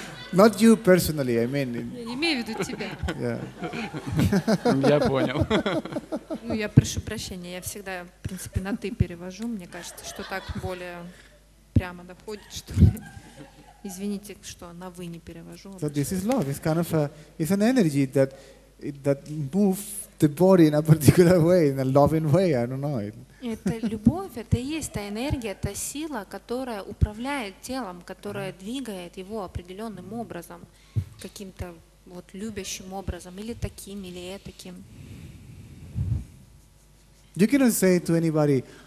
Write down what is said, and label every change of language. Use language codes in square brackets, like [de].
[en] Not you personally, I mean. [ru] Я не имею в виду тебя. [en] Yeah. [ru] Я понял. Ну, я прошу прощения, я всегда, в принципе, на ты перевожу. Мне кажется, что так более прямо доходит, что ли. Извините, что на вы не перевожу. [en] So this is love. It's kind of it's an energy that moves the body in a particular way, in a loving way. I don't know. [ru] Это любовь, это и есть та энергия, та сила, которая управляет телом, которая двигает его определенным образом, каким-то вот любящим образом, или таким, или этаким. [en] You cannot say to anybody.